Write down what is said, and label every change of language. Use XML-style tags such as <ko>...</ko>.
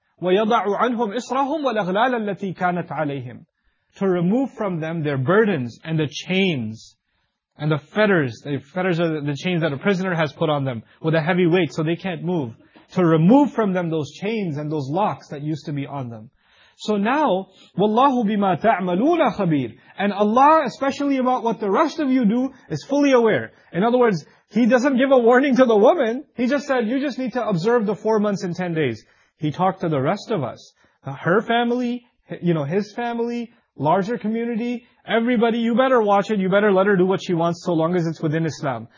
<ar>وَيَضَعُ عَنْهُمْ إِسْرَهُمْ وَالْأَغْلَالَ الَّتِي كَانَتْ عَلَيْهِمْ.</ar> <en>To remove from them their burdens and the chains and the fetters. The fetters are the chains that a prisoner has put on them with a heavy weight so they can't move. To remove from them those chains and those locks that used to be on them. So now,</en> <ar>وَاللَّهُ بِمَا تَعْمَلُونَ خَبِيرٌ.</ar> <en>And Allah, especially about what the rest of you do, is fully aware. In other words, He doesn't give a warning to the woman. He just said, you just need to observe the 4 months and 10 days. He talked to the rest of us. Her family, you know, his family, larger community, everybody, you better watch it, you better let her do what she wants so long as it's within Islam.</en>